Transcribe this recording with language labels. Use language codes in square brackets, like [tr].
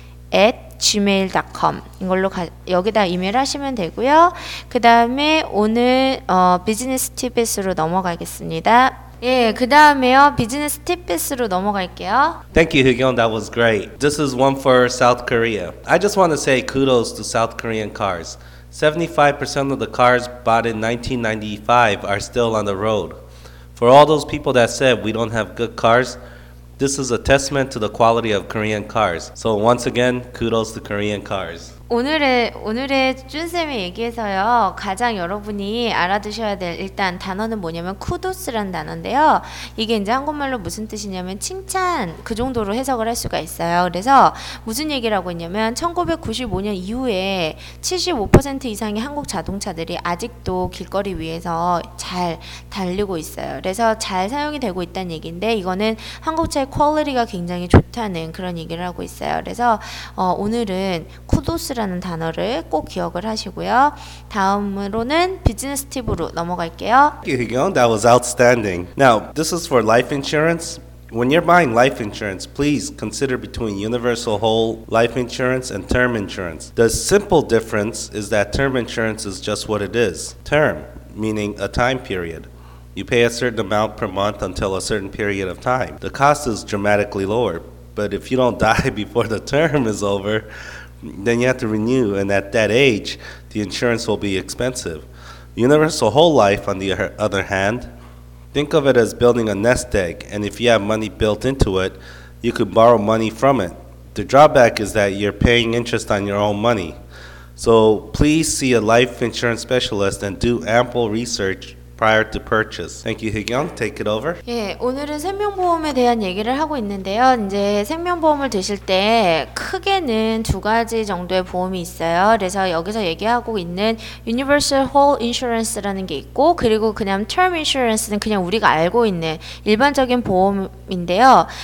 [ko] pagodapba@gmail.com 이걸로 여기다 이메일 하시면 되고요. 그 다음에 오늘 비즈니스 티피스로 넘어가겠습니다. 예, 그 다음에요. 비즈니스 티피스로 넘어갈게요. [en] Thank you, Hugyeong. That was great. This is one for South Korea. I just want to say kudos to South Korean cars. 75% of the cars bought in 1995 are still on the road. For all those people that said we don't have good cars, this is a testament to the quality of Korean cars. So once again, kudos to Korean cars. [ko] 오늘의 준쌤이 얘기해서요. 가장 여러분이 알아두셔야 될 일단 단어는 뭐냐면 kudos라는 단어인데요. 이게 이제 한국말로 무슨 뜻이냐면 칭찬 그 정도로 해석을 할 수가 있어요. 그래서 무슨 얘기라고 했냐면 1995년 이후에 75% 이상의 한국 자동차들이 아직도 길거리 위에서 잘 달리고 있어요. 그래서 잘 사용이 되고 있다는 얘기인데 이거는 한국차의 퀄리티가 굉장히 좋다는 그런 얘기를 하고 있어요. 그래서 오늘은 kudos 라는 단어를 꼭 기억을 하시고요. 다음으로는 비즈니스 팁으로 넘어갈게요. [en] Thank you, Hugyeong. That was outstanding. Now, this is for life insurance. When you're buying life insurance, please consider between universal whole life insurance and term insurance. The simple difference is that term insurance is just what it is. Term, meaning a time period. You pay a certain amount per month until a certain period of time. The cost is dramatically lower, but if you don't die before the term is over, then you have to renew, and at that age, the insurance will be expensive. Universal whole life, on the other hand, think of it as building a nest egg, and if you have money built into it, you could borrow money from it. The drawback is that you're paying interest on your own money. So please see a life insurance specialist and do ample research prior to purchase. Thank you, Hugyeong. Take it over. [ko] 예, 오늘은 생명보험에 대한 얘기를 하고 있는데요. 이제 생명보험을 드실 때 크게는 두 가지 정도의 보험이 있어요. 그래서 여기서 얘기하고 있는 Universal Whole Insurance라는 게 있고 그리고 그냥 Term Insurance는 그냥 우리가 알고 있는 일반적인 보험인데요.